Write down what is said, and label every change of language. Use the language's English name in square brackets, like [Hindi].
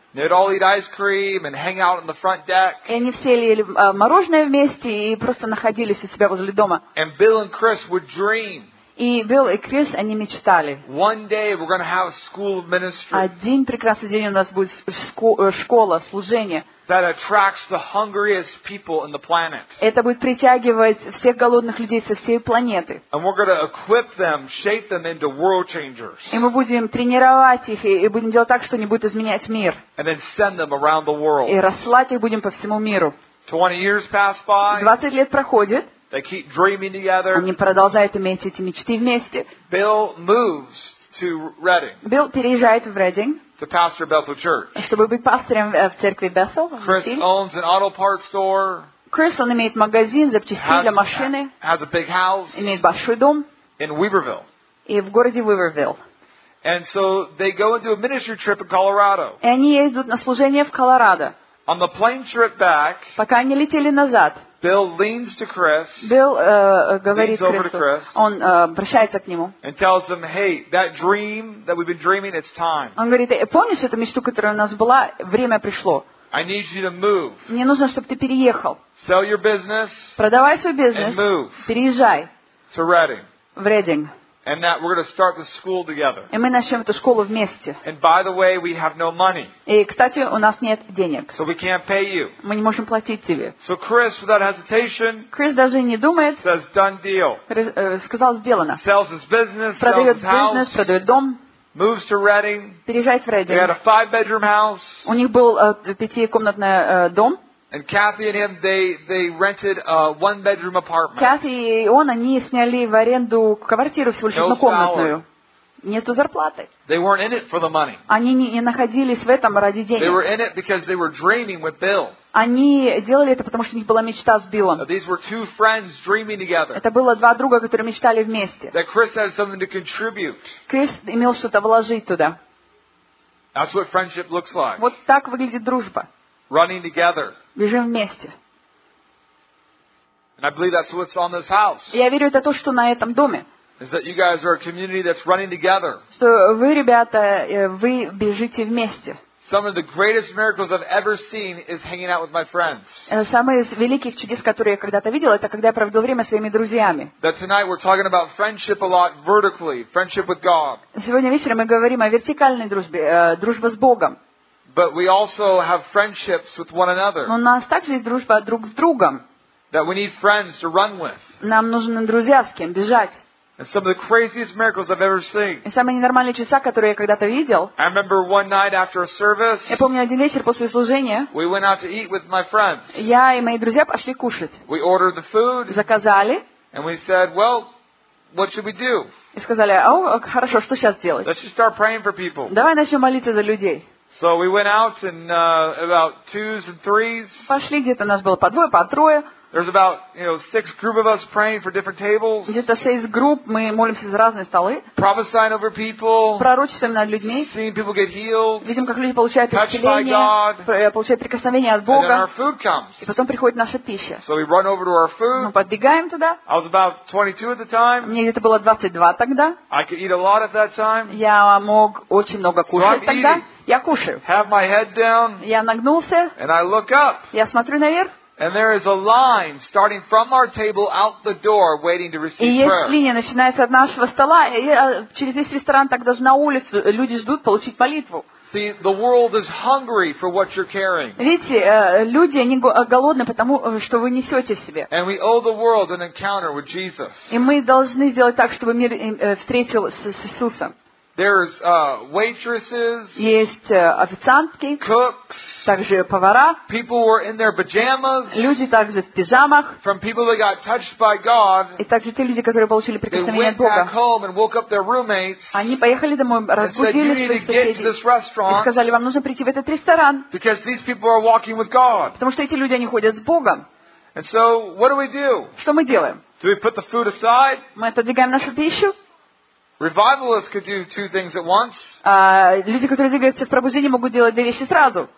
[English] They'd all eat ice cream and hang out on the front deck. [Russian] И они все ели мороженое вместе и просто находились у себя возле дома. [English] And Bill and Chris would dream. [Russian] И Билл и Крис, они мечтали. [English] One day we're going to have a school of ministry. [Russian] Один прекрасный день у нас будет школа, служение. [English] That attracts the hungriest people in the planet. [Russian] Это будет притягивать всех голодных людей со всей планеты. [English] And we're going to equip them, shape them into world changers. [Russian] И мы будем тренировать их и будем делать так, что они будут изменять мир. [English] And then send them around the world. [Russian] И рассылать их будем по всему миру. [English] 20 years pass by. [Russian] 20 лет проходит. [English] They keep dreaming together. [Russian] Они продолжают иметь эти мечты вместе. [English] Bill moves to Reading. [Russian] Bill переезжает в Reading. [English] To pastor Bethel Church. [Russian] Чтобы быть пастором в церкви Bethel. [English] Chris owns an auto parts store. [Russian] Chris, он имеет магазин запчастей для машины. [English] Has a big house. [Russian] Имеет большой дом. [English] In Weaverville. [Russian] И в городе Weaverville. [English] And so they go into a ministry trip in Colorado. [Russian] И они едут на служение в Колорадо. [English] On the plane trip back. [Russian] Пока они летели назад. [English] Bill leans to Chris. [Russian] Bill говорит Крису. Он обращается к нему. [English] And tells him, "Hey, that dream that we've been dreaming, it's time." [Russian] Он говорит: "Помнишь эту мечту, которая у нас была? Время пришло." [English] I need you to move. [Russian] Мне нужно, чтобы ты переехал. [English] Sell your business. [Russian] Продавай свой бизнес. [English] And move. [Russian] Переезжай. [English] To Reading. [Russian] В Reading. [English] And that we're going to start the school together. [Russian] И мы начнем эту школу вместе. [English] And by the way, we have no money. [Russian] И, кстати, у нас нет денег. [English] So we can't pay you. [Russian] Мы не можем платить тебе. [English] So Chris, without hesitation, [Russian] Chris даже не думает, [English] says done deal. [Russian] Сказал сделано. [English] Sells his business, [Russian] продает [English] sells his [Russian] бизнес, [English] house, [Russian] продает дом. [English] Moves to Reading. [Russian] Переезжает в Reading. [English] They had a 5-bedroom house. [Russian] У них был пятикомнатный дом. [English] And Kathy and him, they rented a 1-bedroom apartment. [Russian] Кэти и он, они сняли в аренду квартиру всего лишь однокомнатную. Нету зарплаты. [English] They weren't in it for the money. [Russian] Они не находились в этом ради денег. [English] They were in it because they were dreaming with Bill. [Russian] Они делали это, потому что у них была мечта с Биллом. [English] These were two friends dreaming together. [Russian] Это было два друга, которые мечтали вместе. [English] That Chris had something to contribute. [Russian] Крис имел что-то вложить туда. [English] That's what friendship looks like. [Russian] Вот так выглядит дружба. [English] Running together. [Russian] Бежим вместе. [English] And I believe that's what's on this house. [Russian] Я верю, это то, что на этом доме. [English] Is that you guys are a community that's running together? [Russian] Что вы, ребята, вы бежите вместе. [English] Some of the greatest miracles I've ever seen is hanging out with my friends. [Russian] Самые великих чудес, которые я когда-то видел, это когда я проводил время с своими друзьями. [English] That tonight we're talking about friendship a lot vertically, friendship with God. [Russian] Сегодня вечером мы говорим о вертикальной дружбе, дружба с Богом. [English] But we also have friendships with one another. [Russian] Но у нас также есть дружба друг с другом. [English] That we need friends to run with. [Russian] Нам нужны друзья, с кем бежать. [English] And some of the craziest miracles I've ever seen. [Russian] И самые ненормальные чудеса, которые я когда-то видел. [English] I remember one night after a service. [Russian] Я помню один вечер после служения. [English] We went out to eat with my friends. [Russian] Я и мои друзья пошли кушать. [English] We ordered the food. [Russian] Заказали. [English] And we said, well, what should we do? [Russian] И сказали, о, хорошо, что сейчас делать? [English] Let's just start praying for people. [Russian] Давай начнем молиться за людей. [English] So we went out and about twos and threes. [Russian] Пошли где-то, нас было по двое, по трое. [English] There's about, you know, six group of us praying for different tables. [Russian] Где-то шесть групп, мы молимся за разные столы. [English] Prophesying over people. [Russian] Пророчествуем над людьми. [English] Seeing people get healed. [Russian] Видим, как люди получают исцеление. [English] Touched by God. [Russian] Получают прикосновение от Бога. [English] And then our food comes. [Russian] И потом приходит наша пища. [English] So we run over to our food. [Russian] Мы подбегаем туда. [English] I was about 22 at the time. [Russian] Мне где-то было 22 тогда. [English] I could eat a lot at that time. [Russian] Я мог очень много кушать тогда. Я кушаю. [English] Have my head down. [Russian] Я нагнулся. [English] And I look up. [Russian] Я смотрю наверх. [English] And there is a line starting from our table out the door waiting to receive prayer. [Russian] И есть линия, начинается от нашего стола, и через весь ресторан так даже на улицу люди ждут получить молитву. [English] See, the world is hungry for what you're carrying. [Russian] Видите, люди, они голодны потому, что вы несете в себе. [English] And we owe the world an encounter with Jesus. [Russian] И мы должны сделать так, чтобы мир встретился с Иисусом. [English] There's waitresses. [Russian] Есть официантки. [English] Cooks. [Russian] Также повара. [English] People were in their pajamas. [Russian] Люди также в пижамах. [English] From people that got touched by God. [Russian] И также те люди, которые получили прикосновение от Бога. [English] They went back home and woke up their roommates. [Russian] Они поехали домой, разбудили своих соседей. И сказали, вам нужно прийти в этот ресторан. [English] Because these people are walking with God. [Russian] Потому что эти люди, они ходят с Богом. [English] And so, what do we do? [Russian] Что мы делаем? [English] Do we put the food aside? [Russian] Мы отодвигаем нашу пищу. [English] Revivalists could do two things at once. [Russian] Люди, которые двигаются в пробуждении, могут делать две вещи сразу.